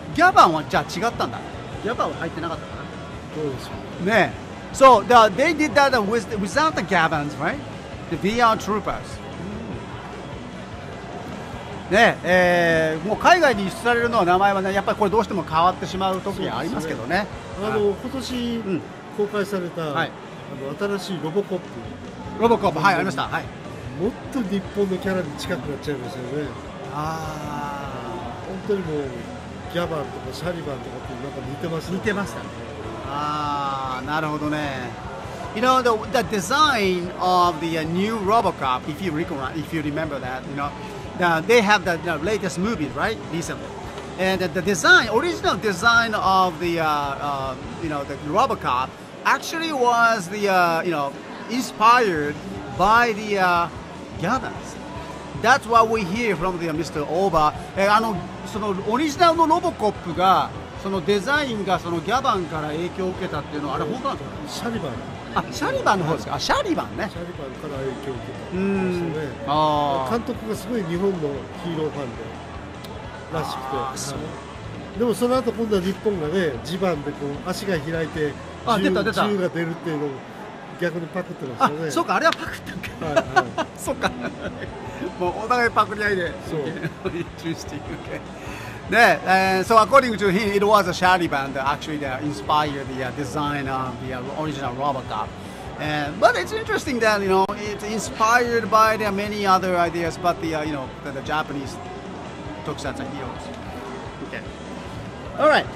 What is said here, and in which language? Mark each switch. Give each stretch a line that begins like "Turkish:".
Japanese: ギャバンはじゃあ違ったんだ。ギャバンは入ってなかったかな。どうでしょう。
English: ね、so they did that without the Gavans, right? The VR Troopers.
Japanese: ね、もう海外に輸出されるのは名前はね、やっぱりこれどうしても変わってしまう時はありますけどね。あの、今年公開された、うん、はい、あの新しいロボコップ。ロボコップ、はい、ありました、はい。もっと日本のキャラに近くなっちゃいますよね。ああ、本当にもうギャバンとかシャリバンとかってなんか似てます、ね。似てましたね。ああ、なるほどね。
English: You know the design of the new RoboCop, if you recall, if you remember that, you know.They have the latest movie, right? Recently. And the design, original design of the, you know, the RoboCop actually was the, you know, inspired by the Gundams. That's what we hear from the, Mr. Oba. Original RoboCop
Japanese: がそのデザインがそのギャバンから影響を受けたっていうのはあれ本当なんですか？シャリバン。あ、シャリバンの方ですか？あ、シャリバンね。シャリバンから影響を受けたんですよね。監督がすごい日本のヒーローファンでらしくて、はい、でもその後今度は日本がね、ジバンでこう足が開いて銃が出るっていうのを逆にパクってますよね。あ、そうか、あれはパクったんか、はいはい、そうか、もうお互いパクり合いで中止していくけ。
English: So according to him, it was a shiny band that actually inspired the design of the original RoboCop. But it's interesting that, you know, it's inspired by the many other ideas, but the, you know, the Japanese tokusatsu heroes. Okay. All right.